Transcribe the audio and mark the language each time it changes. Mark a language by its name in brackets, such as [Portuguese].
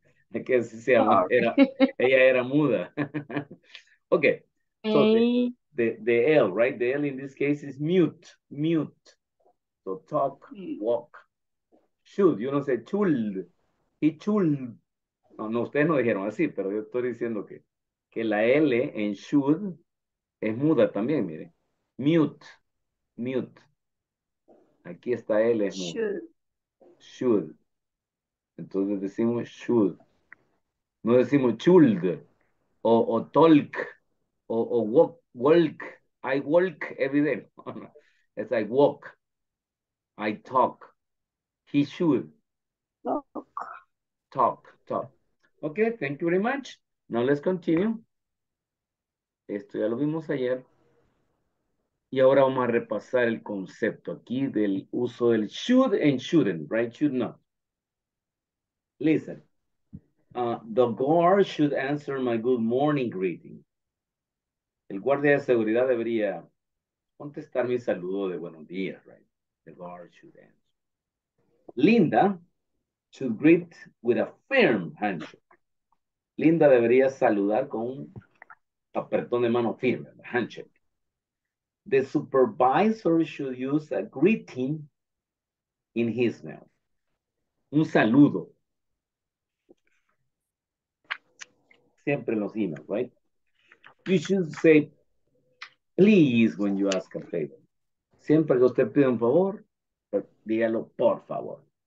[Spanish] Es que así se llama. Ella era muda. Okay. So, [English] the L, right? The L in this case is mute, mute. So talk, walk. Should, you don't say should. He should. [Spanish] No, no, ustedes no dijeron así, pero yo estoy diciendo que la L en should es muda también, mire. [English] Mute, mute. [Spanish] Aquí está L. Es [English] should. [Spanish] Should. Entonces decimos should. No decimos should. O talk. O walk. [English] I walk every day. It's like walk. I talk. He should. Talk. Talk. Talk. Okay, thank you very much. Now let's continue. [Spanish] Esto ya lo vimos ayer. Y ahora vamos a repasar el concepto aquí del uso del should and shouldn't, right? Should not. Listen. [English] The guard should answer my good morning greeting. [Spanish] El guardia de seguridad debería contestar mi saludo de buenos días, right? [English] The guard should answer. Linda should greet with a firm handshake. [Spanish] Linda debería saludar con un apretón de mano firme, the handshake. [English] The supervisor should use a greeting in his mouth. [Spanish] Un saludo. Siempre en los emails, [English] right? You should say please when you ask a favor. [Spanish] Siempre que usted pide un favor, dígalo por favor.